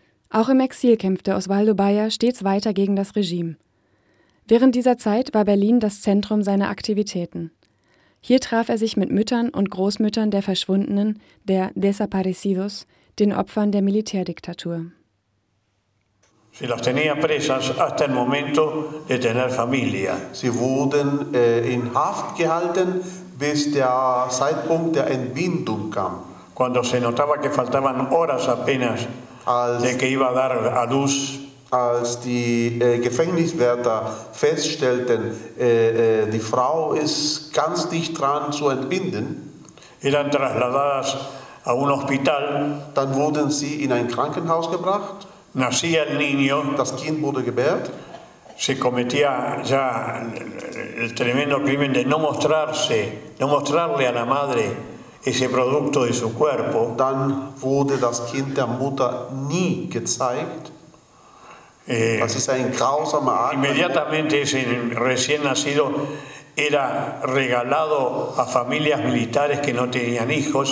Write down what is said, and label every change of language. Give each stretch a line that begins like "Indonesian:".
German: Auch im Exil kämpfte Osvaldo Bayer stets weiter gegen das Regime. Während dieser Zeit war Berlin das Zentrum seiner Aktivitäten. Hier traf er sich mit Müttern und Großmüttern der Verschwundenen, der Desaparecidos, den Opfern der Militärdiktatur.
Spanish: Sie las tenía presas hasta el momento de tener familia.
German: Sie wurden in Haft gehalten, bis der Zeitpunkt der Entbindung kam.
Spanish: Cuando se notaba que faltaban horas apenas de que iba a dar a luz.
German: Als die Gefängniswärter feststellten, die Frau ist ganz dicht dran zu entbinden,
Spanish: eran trasladadas a un hospital,
German: dann wurden sie in ein Krankenhaus gebracht.
Spanish: Nacía el niño,
German: das Kind wurde gebärt.
Spanish: Se cometía ya el tremendo crimen de no mostrarse, no mostrarle a la madre ese producto de su cuerpo.
German: Dann wurde das Kind der Mutter nie gezeigt. Das ist ein grausamer Akt.
Spanish: Inmediatamente ese recién nacido era regalado a familias militares que no tenían hijos.